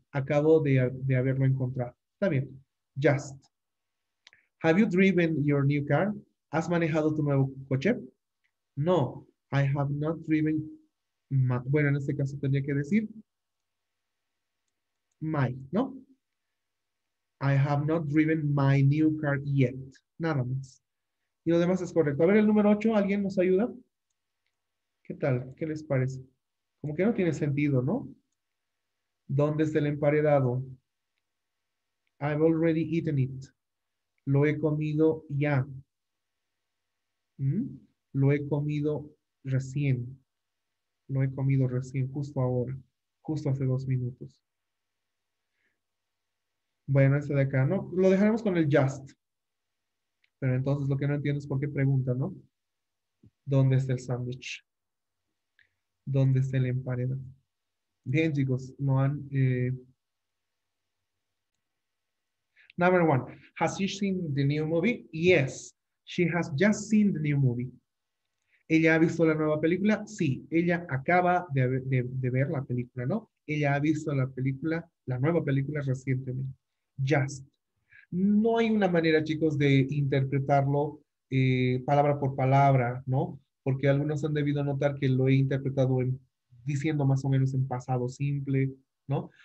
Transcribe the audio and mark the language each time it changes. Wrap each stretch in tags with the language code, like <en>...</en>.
<es>Acabo de haberlo encontrado. Está bien. Just.</es> <en>Have you driven your new car?</en> <es>¿Has manejado tu nuevo coche?</es> <en>No. I have not driven my.</en> <es>Bueno, en este caso tendría que decir my, ¿no?</es> <en>I have not driven my new car yet.</en> <es>Nada más. Y lo demás es correcto. A ver el número 8. ¿Alguien nos ayuda? ¿Qué tal? ¿Qué les parece? Como que no tiene sentido, ¿no? ¿Dónde está el emparedado?</es> <en>I've already eaten it.</en> <es>Lo he comido ya. Lo he comido recién. Lo he comido recién, justo ahora. Justo hace 2 minutos. Bueno, este de acá, ¿no? Lo dejaremos con el just. Pero entonces lo que no entiendo es por qué pregunta, ¿no? ¿Dónde está el sándwich? ¿Dónde está el emparedado? Bien, chicos, no han...</es> <en>Number one, has she seen the new movie? Yes, she has just seen the new movie.</en> <es>¿Ella ha visto la nueva película? Sí, ella acaba de ver la película, ¿no? Ella ha visto la película, la nueva película recientemente. Just. No hay una manera, chicos, de interpretarlo palabra por palabra, ¿no? Porque algunos han debido notar que lo he interpretado en, diciendo más o menos en pasado simple, ¿no?</es>